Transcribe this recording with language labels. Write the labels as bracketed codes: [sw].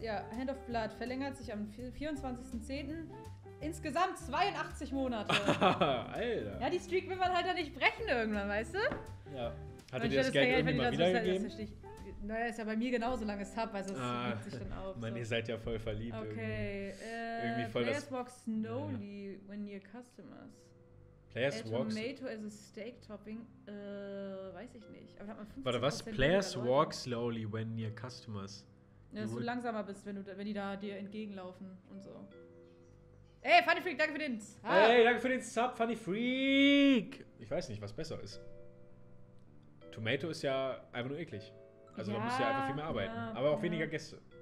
[de] Ja, Hand of Blood verlängert sich am 24.10. Insgesamt 82 Monate. Alter. Ja, die Streak will man halt dann nicht brechen irgendwann, weißt du? Ja. Hat er dir das Geld irgendwie mal wiedergegeben? Naja, ist ja bei mir genauso lange Sub, also es regt sich dann auf. Mann, so. Ihr seid ja voll verliebt. Okay. Irgendwie [en] voll Players das walk slowly when near customers. Players walk. Tomato as a steak topping. [de] Weiß ich nicht. Aber hat man 50. Warte, was? [en] Players walk slowly when near customers. [de] Ja, dass du langsamer bist, wenn die da dir entgegenlaufen und so. Ey, Funny Freak, danke für den Sub. Hey, danke für den Sub, Funny Freak. Ich weiß nicht, was besser ist. Tomato ist ja einfach nur eklig. Also ja, man muss ja einfach viel mehr arbeiten. Ja, aber auch weniger Gäste.